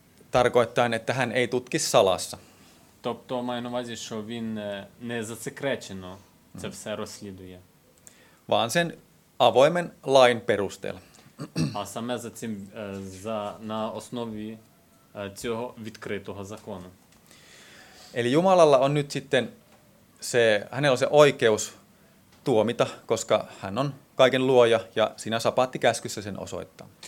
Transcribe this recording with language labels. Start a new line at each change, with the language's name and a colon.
Finnish: Tarkoittaa, että hän ei tutki salassa.
Ukrainian: Тобто маю на увазі, що він не засекречено це все розслідує.
Finnish: Vaan sen avoimen lain perusteella.
Ukrainian: А саме за цим на основі цього відкритого закону.
Finnish: Eli Jumalalla on nyt sitten se, hänellä on se oikeus tuomita, koska hän on kaiken luoja ja siinä sapaattikäskyssä sen osoittaa.